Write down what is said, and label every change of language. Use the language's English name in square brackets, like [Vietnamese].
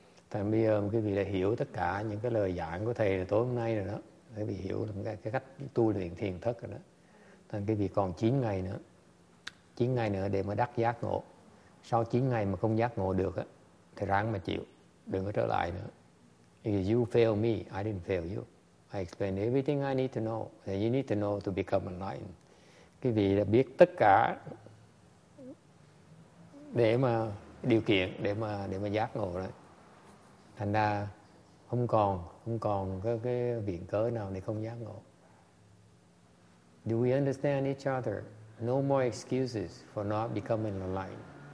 [Vietnamese] Tại bây giờ quý vị đã hiểu tất cả những cái lời giảng của thầy tối hôm nay rồi đó. Quý vị hiểu được cái cách tu luyện thiền thất rồi đó. Nên quý vị còn 9 ngày nữa. 9 ngày nữa để mà đắc giác ngộ. Sau 9 ngày mà không giác ngộ được á, thì ráng mà chịu. Đừng có trở lại nữa. [English] If you fail me, I didn't fail you. I explained everything I need to know. And you need to know to become enlightened. [Vietnamese] Quý vị đã biết tất cả để mà điều kiện để mà giác ngộ rồi. Thành ra không còn cái viện cớ nào để không giác ngộ. [English] Do we understand each other? No more excuses for not becoming enlightened.